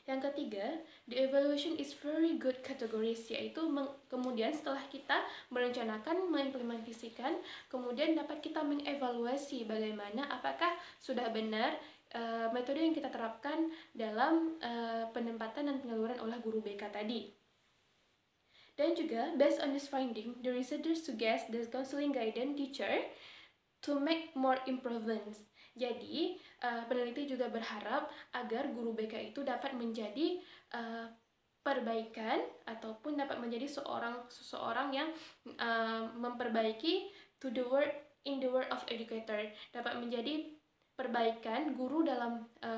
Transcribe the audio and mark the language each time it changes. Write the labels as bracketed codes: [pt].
[id] Yang ketiga, [en] the evaluation is very good categories, [id] yaitu kemudian setelah kita merencanakan, mengimplementasikan, kemudian dapat kita mengevaluasi bagaimana apakah sudah benar metode yang kita terapkan dalam penempatan dan penyaluran oleh guru BK tadi. Dan juga, [en] based on this finding, the researchers suggest the counseling guidance teacher to make more improvements. [id] Jadi, peneliti juga berharap agar guru BK itu dapat menjadi perbaikan ataupun dapat menjadi seseorang yang memperbaiki [en] to the world in the world of educator, [id] dapat menjadi perbaikan guru dalam